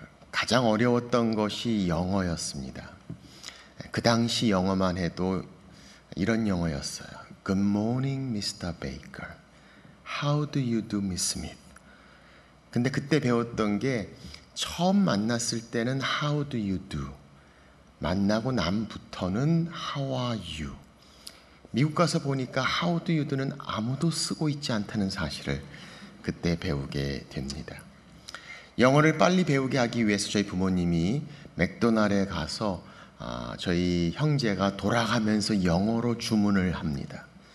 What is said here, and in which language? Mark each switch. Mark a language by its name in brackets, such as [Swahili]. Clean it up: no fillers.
[Korean] 가장 어려웠던 것이 영어였습니다. 그 당시 영어만 해도 이런 영어였어요. [English] Good morning, Mr. Baker. How do you do, Miss Smith? [Korean] 근데 그때 배웠던 게 처음 만났을 때는 [English] How do you do? [Korean] 만나고 남부터는 [English] How are you? [Korean] 미국 가서 보니까 [English] How do you do [Korean] 는 아무도 쓰고 있지 않다는 사실을 그때 배우게 됩니다. 영어를 빨리 배우게 하기 위해서 저희 부모님이 맥도날드에 가서 저희 형제가 돌아가면서 영어로 주문을 합니다.